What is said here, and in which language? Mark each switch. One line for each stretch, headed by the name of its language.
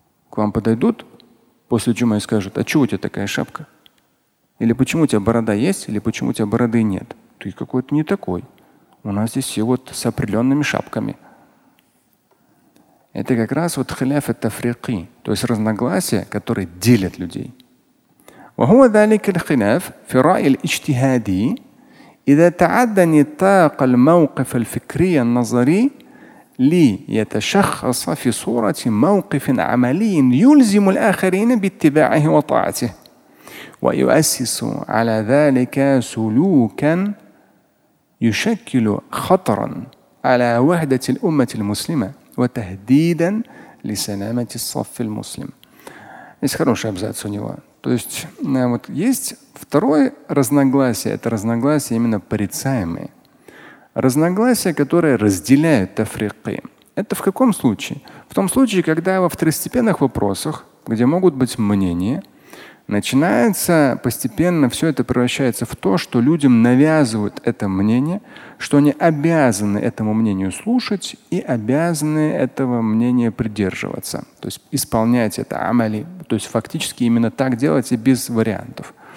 Russian: К вам подойдут после джумы и скажут, а чего у тебя такая шапка? Или почему у тебя борода есть, или почему у тебя бороды нет? Ты какой-то не такой. У нас здесь все вот с определенными шапками. Это как раз вот халяф ат-тафриқи, то есть разногласия, которые делят людей.
Arabic: وَهُوَ ذَلِكَ الْخِلَافِ فِي رَأِي الْإِجْتِهَادِ إِذَا تَعَدَّنِ طَاقَ الْمَوْقِفَ الْفِكْرِيَ النَّظَرِي لِيَتَشَخَّصَ فِي صُورَةِ مَوْقِفٍ عَمَلِيٍ يُلْزِمُ الْآخَرِينَ بِاتِّبَاعِهِ وَطَاعَتِهِ وَيُؤَسِّسُ عَلَى ذَلِكَ سُلُوكًا يشكل خطرا على وحدة الأمة المسلمة وتهديدا لسلامة الصف المسلم.
Russian: Есть хороший абзац у него. То есть вот есть второе разногласие. Это разногласия именно порицаемые. Разногласия, которые разделяют тафриқи. Это в каком случае? В том случае, когда во второстепенных вопросах, где могут быть мнения, начинается постепенно, все это превращается в то, что людям навязывают это мнение, что они обязаны этому мнению слушать и обязаны этого мнения придерживаться, то есть исполнять это амали, то есть фактически именно так делать и без вариантов.